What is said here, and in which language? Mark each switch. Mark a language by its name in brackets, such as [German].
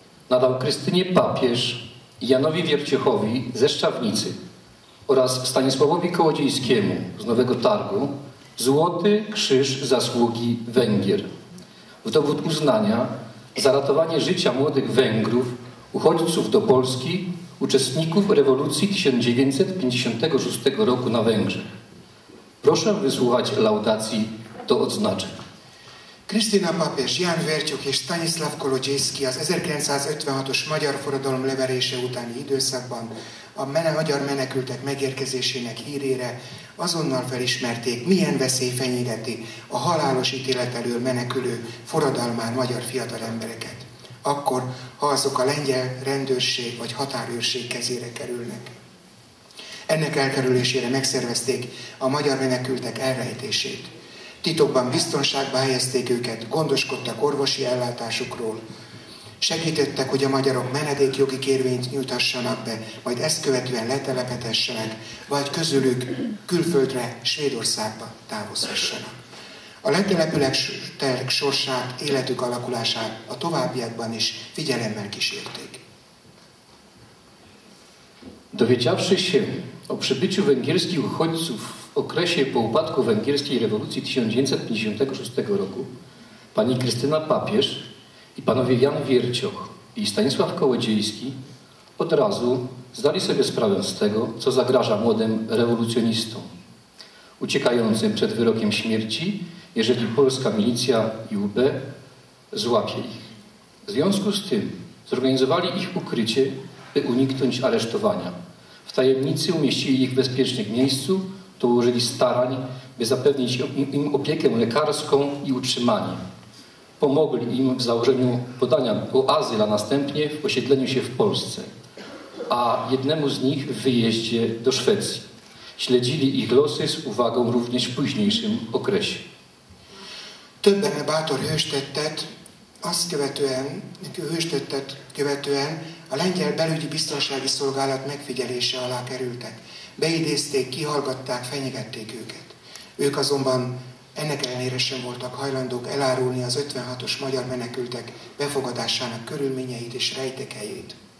[Polish] Nadał Krystynie Papież Janowi Wierciechowi ze Szczawnicy oraz Stanisławowi Kołodziejskiemu z Nowego Targu Złoty Krzyż Zasługi Węgier w dowód uznania za ratowanie życia młodych Węgrów, uchodźców do Polski, uczestników rewolucji 1956 roku na Węgrzech. Proszę wysłuchać laudacji do odznaczeń. [Hungarian] Krisztina Papež, Ján Vercsuk és Stanislav Kolodziejski az 1956-os magyar forradalom leverése utáni időszakban a magyar menekültek megérkezésének hírére azonnal felismerték, milyen veszély fenyegeti a halálos ítélet elől menekülő forradalmár magyar fiatal embereket. Akkor, ha azok a lengyel rendőrség vagy határőrség kezére kerülnek. Ennek elkerülésére megszervezték a magyar menekültek elrejtését. Titokban biztonságba helyezték őket, gondoskodtak orvosi ellátásukról, segítettek, hogy a magyarok menedékjogi kérvényt nyújtassanak be, majd ezt követően letelepedhessenek, vagy közülük külföldre, Svédországba távozhassanak. A letelepülők sorsát, életük alakulását a továbbiakban is figyelemmel kísérték. [Polish] Dowiedziawszy się o przybyciu węgierskich uchodźców w okresie po upadku węgierskiej rewolucji 1956 roku, pani Krystyna Papież i panowie Jan Wiercioch i Stanisław Kołodziejski od razu zdali sobie sprawę z tego, co zagraża młodym rewolucjonistom, uciekającym przed wyrokiem śmierci jeżeli polska milicja i UB złapie ich. W związku z tym zorganizowali ich ukrycie, by uniknąć aresztowania. W tajemnicy umieścili ich w bezpiecznym miejscu, to ułożyli starań, by zapewnić im opiekę lekarską i utrzymanie. Pomogli im w założeniu podania o azyl, a następnie w osiedleniu się w Polsce, a jednemu z nich w wyjeździe do Szwecji. Śledzili ich losy z uwagą również w późniejszym okresie. [Hungarian] Többen a bátor Hőstettet azt követően, neki Hőstettet követően a lengyel belügyi biztonsági szolgálat megfigyelése alá kerültek. Beidézték, kihallgatták, fenyegették őket. Ők azonban ennek ellenére sem voltak hajlandók elárulni az 56-os magyar menekültek befogadásának körülményeit és rejtekeit.